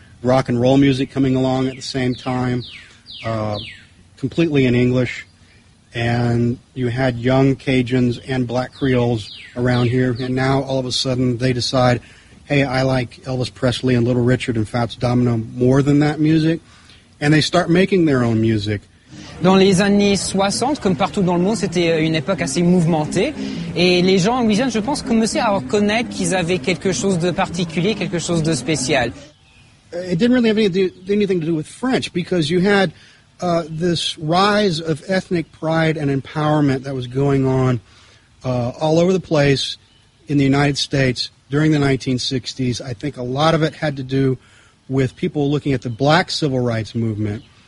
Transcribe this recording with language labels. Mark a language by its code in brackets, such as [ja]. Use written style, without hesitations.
[en] Rock and roll music coming along at the same time, completely in English. And you had young Cajuns and black Creoles around here, and now all of a sudden they decide, hey, I like Elvis Presley and Little Richard and Fats Domino more than that music. And they start making their own music. [fr] Dans les années 60, comme partout dans le monde, c'était une époque assez mouvementée. Et les gens en Louisiane, je pense, commençaient à reconnaître qu'ils avaient quelque chose de particulier, quelque chose de spécial. [en] It didn't really have anything to do with French, because you had this rise of ethnic pride and empowerment that was going on all over the place in the United States. During the 1960s, I think a lot of it had to do with people looking at the black civil rights movement.